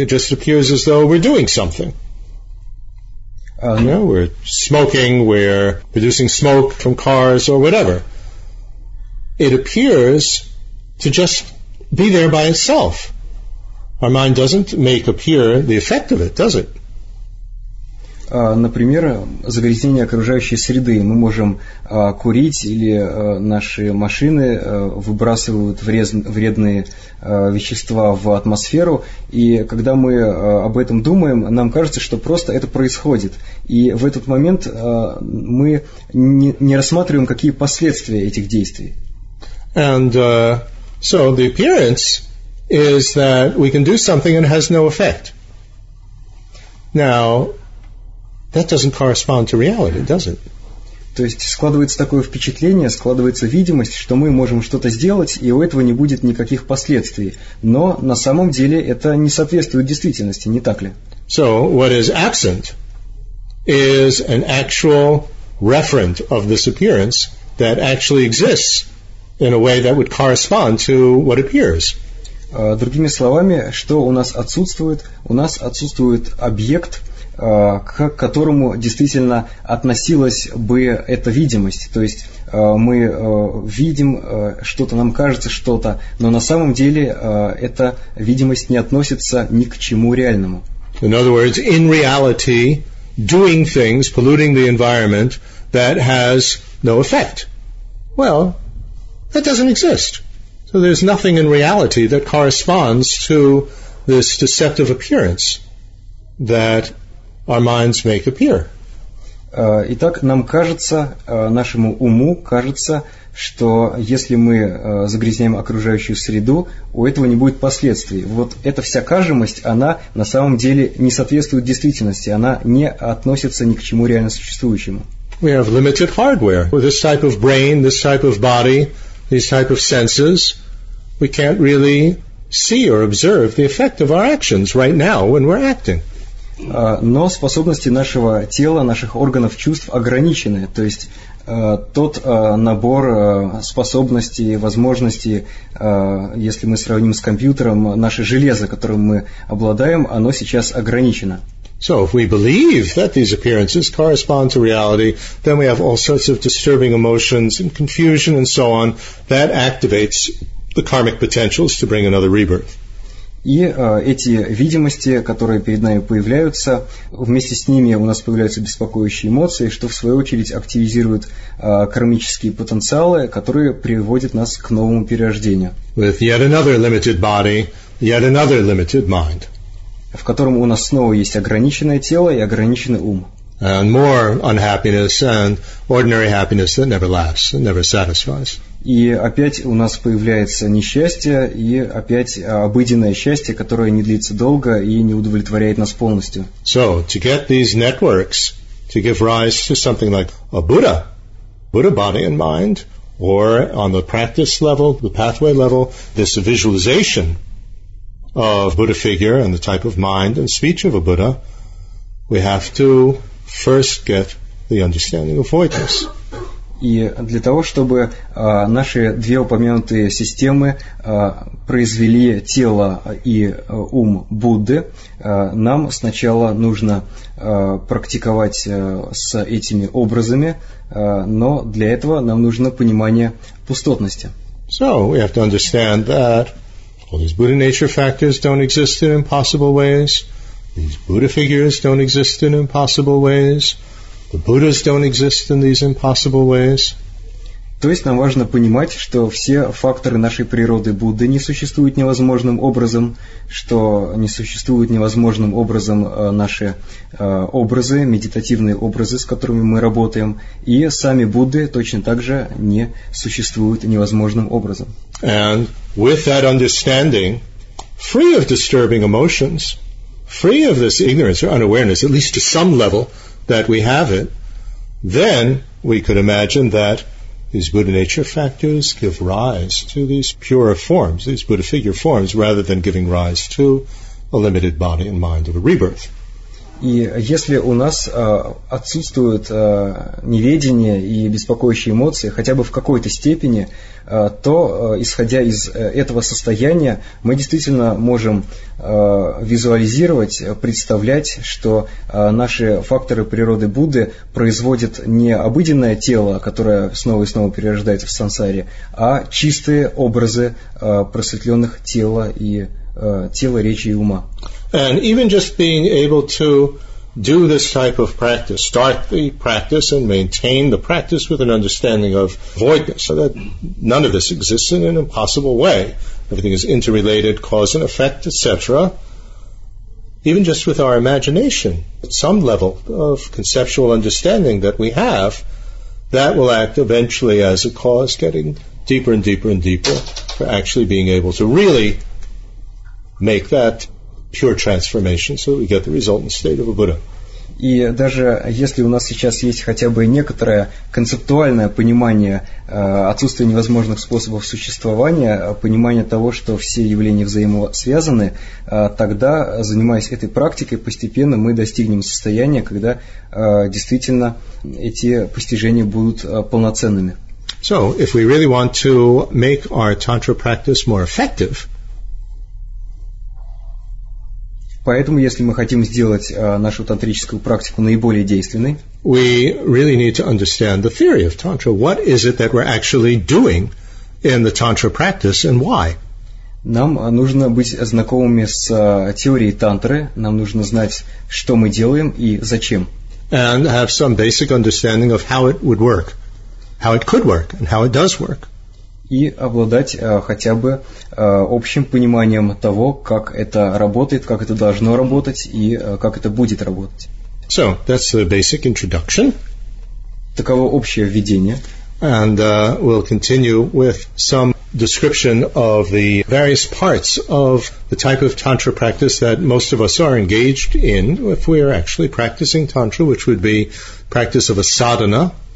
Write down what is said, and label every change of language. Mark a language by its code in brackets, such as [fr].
[en] It just appears as though we're doing something. You know, we're smoking, we're producing smoke from cars or whatever. It appears to just be there by itself. Our mind doesn't make appear the effect of it, does it? [ru] Например, загрязнение окружающей среды. Мы можем курить, или наши машины выбрасывают вредные вещества в атмосферу. И когда мы об этом думаем, нам кажется, что просто это происходит. И в этот момент мы не рассматриваем, какие последствия этих действий. [en] And so the appearance is that we can do something and it has no effect. Now, that doesn't correspond to reality, does it? [ru] То есть складывается такое впечатление, складывается видимость, что мы можем что-то сделать, и у этого не будет никаких последствий. Но на самом деле это не соответствует действительности, не так ли? [en] So what is absent is an actual referent of this appearance that actually exists in a way that would correspond to what appears. [ru] Другими словами, что у нас отсутствует? У нас отсутствует объект, к которому действительно относилась бы эта видимость. То есть мы видим что-то, нам кажется что-то, но на самом деле эта видимость не относится ни к чему реальному. [en] In other words, in reality, doing things, polluting the environment, that has no effect. Well, that doesn't exist. So there's nothing in reality that corresponds to this deceptive appearance that our minds make appear. [ru] Итак, нам кажется, нашему уму кажется, что если мы загрязняем окружающую среду, у этого не будет последствий. Вот эта вся кажимость, она на самом деле не соответствует действительности, она не относится ни к чему реально существующему. [en] We have limited hardware. With this type of brain, this type of body, these type of senses, we can't really see or observe the effect of our actions right now when we're acting. [ru] Но способности нашего тела, наших органов чувств ограничены. То есть тот набор способностей, возможностей, если мы сравним с компьютером, наше железо, которым мы обладаем, оно сейчас ограничено. [en] So if we believe that these appearances correspond to reality, then we have all sorts of disturbing emotions and confusion and so on. That activates the karmic potentials to bring another rebirth. [ru] И эти видимости, которые перед нами появляются, вместе с ними у нас появляются беспокоящие эмоции, что в свою очередь активизирует кармические потенциалы, которые приводят нас к новому перерождению. [en] With yet another limited body, yet another limited mind. [ru] В котором у нас снова есть ограниченное тело и ограниченный ум. [en] And more unhappiness and ordinary happiness that never lasts, that never satisfies. [ru] И опять у нас появляется несчастье, и опять обыденное счастье, которое не длится долго и не удовлетворяет нас полностью. [en] So, to get these networks to give rise to something like a Buddha, Buddha body and mind, or on the practice level, the pathway level, this visualization of Buddha figure and the type of mind and speech of a Buddha, we have to first get the understanding of voidness. [ru] И для того, чтобы наши две упомянутые системы произвели тело и ум Будды, нам сначала нужно практиковать с этими образами, но для этого нам нужно понимание пустотности. [en] So we have to understand that all these Buddha nature factors don't exist in impossible ways. These Buddha figures don't exist in impossible ways. The Buddhas don't exist in these impossible ways. [ru] То есть нам важно понимать, что все факторы нашей природы Будды не существуют невозможным образом, что не существуют невозможным образом наши образы, медитативные образы, с которыми мы работаем, и сами Будды точно так же не существуют невозможным образом. [en] And with that understanding, free of disturbing emotions, free of this ignorance or unawareness, at least to some level, that we have it, then we could imagine that these Buddha nature factors give rise to these pure forms, these Buddha figure forms, rather than giving rise to a limited body and mind of a rebirth. [ru] И если у нас отсутствует неведение и беспокоящие эмоции хотя бы в какой-то степени, то, исходя из этого состояния, мы действительно можем визуализировать, представлять, что наши факторы природы Будды производят не обыденное тело, которое снова и снова перерождается в сансаре, а чистые образы просветленных тела и тела, речи и ума. [en] And even just being able to do this type of practice, start the practice and maintain the practice with an understanding of voidness, so that none of this exists in an impossible way. Everything is interrelated, cause and effect, etc. Even just with our imagination, at some level of conceptual understanding that we have, that will act eventually as a cause, getting deeper and deeper and deeper for actually being able to really make that pure transformation, so we get the resultant state of a Buddha. [ru] И даже если у нас сейчас есть хотя бы некоторое концептуальное понимание отсутствия невозможных способов существования, понимание того, что все явления взаимосвязаны, тогда, занимаясь этой практикой, постепенно мы достигнем состояния, когда действительно эти постижения будут полноценными. [en] So, if we really want to make our tantra practice more effective, [ru] поэтому, если мы хотим сделать нашу тантрическую практику наиболее действенной, [en] we really need to understand the theory of tantra. What is it that we're actually doing in the tantra practice and why? [ru] Нам нужно быть знакомыми с теорией тантры, нам нужно знать, что мы делаем и зачем. [en] And have some basic understanding of how it would work, how it could work, and how it does work. [ru] И обладать хотя бы общим пониманием того, как это работает, как это должно работать и как это будет работать. [en] So, that's the basic introduction. [ru] Таково общее введение. [en] And we'll continue with some description of the various parts of the type of tantra practice that most of us are engaged in, if we are actually practicing tantra, which would be practice of a sadhana.